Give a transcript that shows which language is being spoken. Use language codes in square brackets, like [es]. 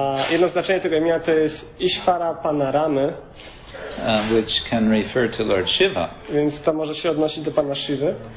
[pl] Jedno znaczenie tego imienia to jest Ishwara, Pana Ramy. [en] Which can refer to Lord Shiva. [pl] Więc to może się odnosić do Pana Shivy.